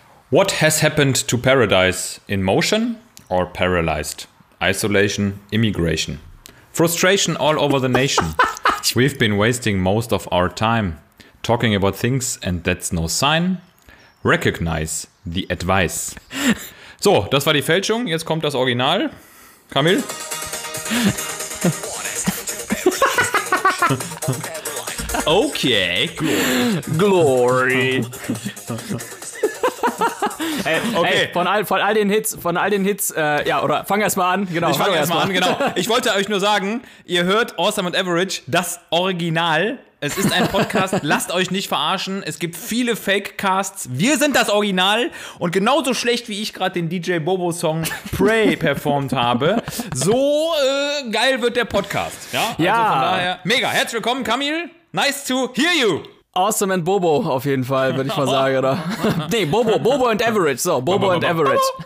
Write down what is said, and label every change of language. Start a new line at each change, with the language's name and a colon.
English: What has happened to paradise? In motion or paralyzed? Isolation, immigration. Frustration all over the nation. We've been wasting most of our time talking about things and that's no sign. Recognize the advice.
German: So, das war die Fälschung. Jetzt kommt das Original. Kamil? Okay. Glory. Hey, okay. Hey, von all den Hits, ja, oder fang erst mal an, genau. Ich fang erst mal an, genau. Ich wollte euch nur sagen, ihr hört Awesome and Average, das Original. Es ist ein Podcast, lasst euch nicht verarschen. Es gibt viele Fake-Casts. Wir sind das Original. Und genauso schlecht, wie ich gerade den DJ Bobo-Song Pray performt habe, so geil wird der Podcast. Ja, also ja. Von daher, mega. Herzlich willkommen, Kamil.
English: Nice to hear you.
German: Awesome and Bobo auf jeden Fall, würde ich mal sagen, oder? Nee, Bobo and Average, so, Bobo and Average.